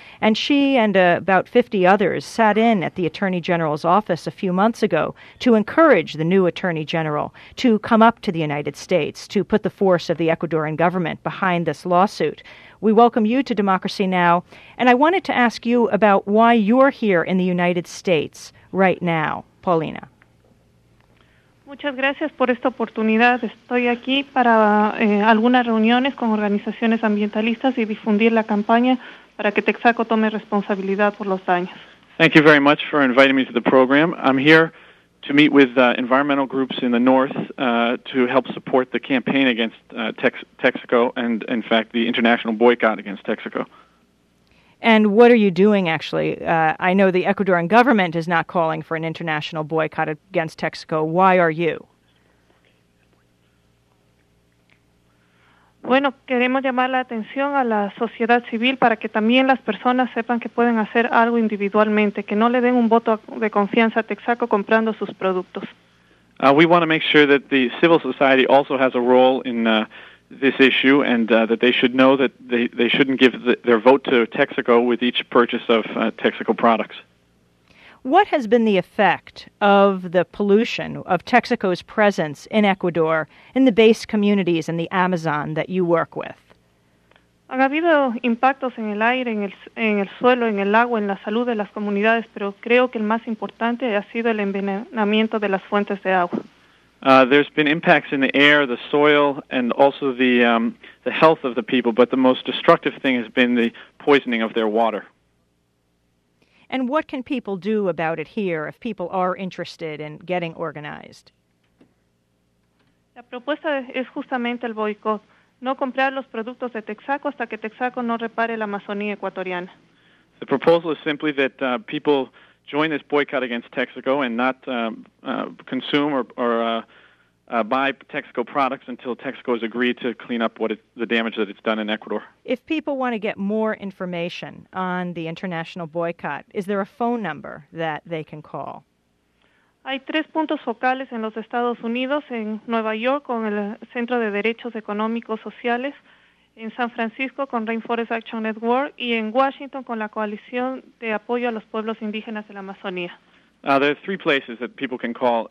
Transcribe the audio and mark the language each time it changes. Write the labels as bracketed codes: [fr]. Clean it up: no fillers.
[en] And she and about 50 others sat in at the Attorney General's office a few months ago to encourage the new Attorney General to come up to the United States to put the force of the Ecuadorian government behind this lawsuit. We welcome you to Democracy Now! And I wanted to ask you about why you're here in the United States right now, Paulina. [es] Muchas gracias por esta oportunidad. Estoy aquí para algunas reuniones con organizaciones ambientalistas y difundir la campaña para que Texaco tome responsabilidad por los daños. [en] Thank you very much for inviting me to the program. I'm here to meet with environmental groups in the north to help support the campaign against Texaco and, in fact, the international boycott against Texaco. And what are you doing, actually? I know the Ecuadorian government is not calling for an international boycott against Texaco. Why are you? [es] Bueno, queremos llamar la atención a la sociedad civil para que también las personas sepan que pueden hacer algo individualmente, que no le den un voto de confianza a Texaco comprando sus productos. [en] We want to make sure that the civil society also has a role in this issue and that they should know that they shouldn't give their vote to Texaco with each purchase of Texaco products. What has been the effect of the pollution, of Texaco's presence in Ecuador, in the base communities in the Amazon that you work with? [es] Han habido impactos en el aire, en el suelo, en el agua, en la salud de las comunidades, pero creo que el más importante ha sido el envenenamiento de las fuentes de agua. [en] There's been impacts in the air, the soil, and also the health of the people, but the most destructive thing has been the poisoning of their water. And what can people do about it here if people are interested in getting organized? [es] La propuesta es justamente el boicot, no comprar los productos de Texaco hasta que Texaco no repare la Amazonía ecuatoriana. [en] The proposal is simply that people join this boycott against Texaco and not consume or buy Texaco products until Texaco has agreed to clean up the damage that it's done in Ecuador. If people want to get more information on the international boycott, is there a phone number that they can call? [es] Hay tres puntos focales en los Estados Unidos, en Nueva York, con el Centro de Derechos Económicos Sociales, en San Francisco con Rainforest Action Network y en Washington con la Coalición de Apoyo a los Pueblos Indígenas de la Amazonía. [en] There are three places that people can call.